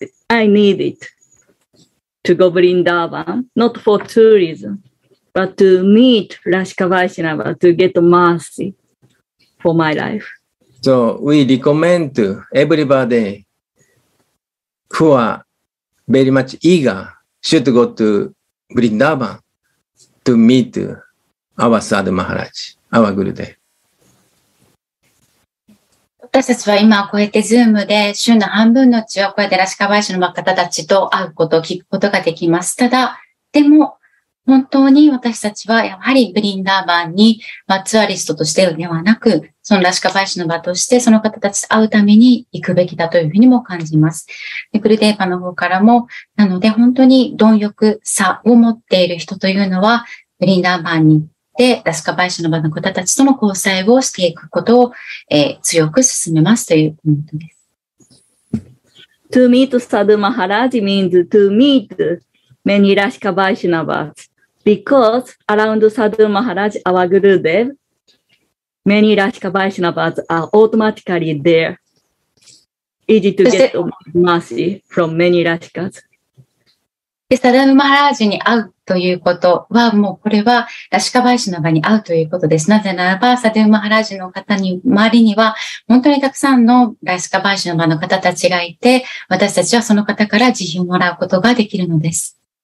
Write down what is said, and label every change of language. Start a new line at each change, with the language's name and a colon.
English: I need it to go Vrindavan, not for tourism, but to meet Rashika Vaishnava to get mercy for my life. So we recommend to everybody who areVery much eager should go to Vrindavan to meet our Sadhu Maharaj, our Gurudev.
Japanese: 私たちは今こうやってズームで週の半分のうちはこうやってラシカバイシノバの方たちと会うことを聞くことができます。ただ、でも本当に私たちはやはりVrindavanにツアリストとしてではなく、そのラシカバイシノバとしてその方たちと会うために行くべきだというふうにも感じます。で、グルデーバの方からも、なので本当に貪欲さを持っている人というのは、ブリンダーバンに行ってラシカバイシノバの方たちとの交際をしていくことを、強く進めますというポイントです。
English: To meet Sadhu Maharaj means to meet many ラシカバイシノバ because around Sadhu Maharaj, our Gurudev,Many Rashika Vaishnavas are automatically there. Easy to get mercy from many Rashikas.
Japanese: で、サダムマハラージに会うということは、もうこれは、ラシカバイシュナバに会うということです。なぜならば、サダムマハラージの方に、周りには、本当にたくさんのラシカバイシュナバの方たちがいて、私たちはその方から慈悲をもらうことができるのです。